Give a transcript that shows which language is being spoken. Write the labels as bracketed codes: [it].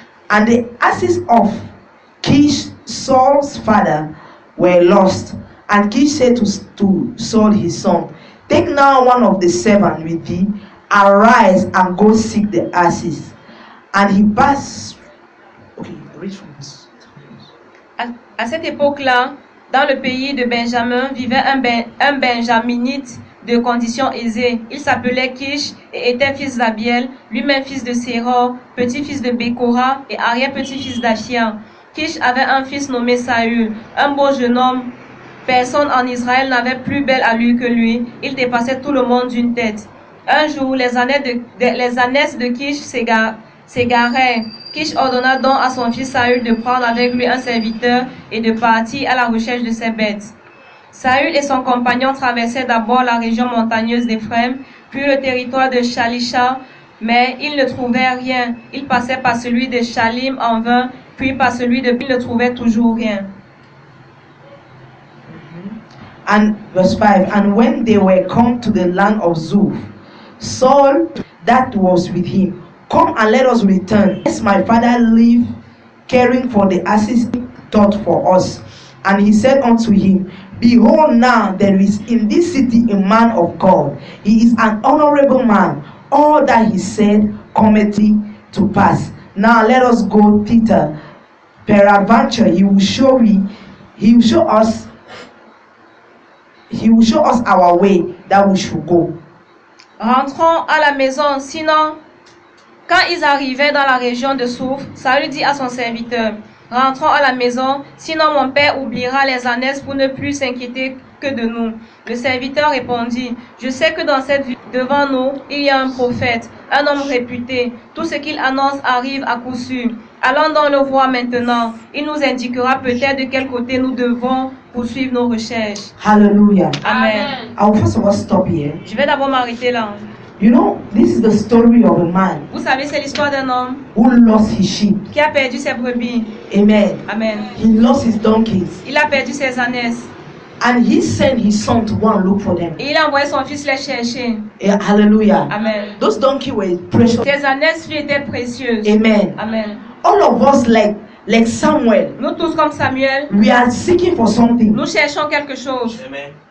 [en] And the asses of Kish, Saul's father, were lost. And Kish said to Saul, his son, take now one of the servants with thee, arise and go seek the asses. And he passed. Okay, read from this. [fr] À cette époque-là, dans le pays de Benjamin, vivait un Benjaminite de condition aisée. Il s'appelait Kish et était fils d'Abiel, lui-même fils de Séror, petit-fils de Bécora et arrière-petit-fils d'Achia. Kish avait un fils nommé Saül, un beau jeune homme. Personne en Israël n'avait plus belle allure que lui. Il dépassait tout le monde d'une tête. Un jour, les années de Kish s'égarèrent. Kish ordonna donc à son fils Saül de prendre avec lui un serviteur et de partir à la recherche de ses bêtes. Saül et son compagnon traversaient d'abord la région montagneuse d'Éphraïm, puis le territoire de Shalisha, mais ils ne trouvaient rien. Ils passaient par celui de Shalim en vain, puis par celui de ils ne trouvaient toujours rien. [en] And verse 5, and when they were come to the land of Zuf, Saul that was with him, come and let us return. Yes, my father live, caring for the asses taught for us. And he said unto him, behold, now there is in this city a man of God. He is an honorable man. All that he said cometh to pass. Now let us go thither. Peradventure he will show us our way that we should go. [fr] Rentrons à la maison, sinon. Quand ils arrivaient dans la région de Souf, Saül dit à son serviteur, « Rentrons à la maison, sinon mon père oubliera les ânes pour ne plus s'inquiéter que de nous. » Le serviteur répondit, « Je sais que dans cette ville, devant nous, il y a un prophète, un homme réputé. Tout ce qu'il annonce arrive à coup sûr. Allons donc le voir maintenant. Il nous indiquera peut-être de quel côté nous devons poursuivre nos recherches. » Hallelujah. Amen. [en] I will first of all stop here. [fr] Je vais d'abord m'arrêter là. [en] You know, this is the story of a man. [fr] Vous savez, c'est l'histoire d'un homme [en] who lost his sheep. [fr] Qui a perdu ses brebis. Amen. Amen. [en] He lost his donkeys. [fr] Il a perdu ses ânes. [en] And he sent his son to go and look for them. [fr] Et il a envoyé son fils les chercher. Yeah, hallelujah. Amen. [en] Those donkeys were precious. [fr] Ses ânes étaient précieuses. Amen. Amen. [en] All of us like Samuel. [fr] Nous tous comme Samuel. [en] We are seeking for something. [fr] Nous cherchons quelque chose. Amen.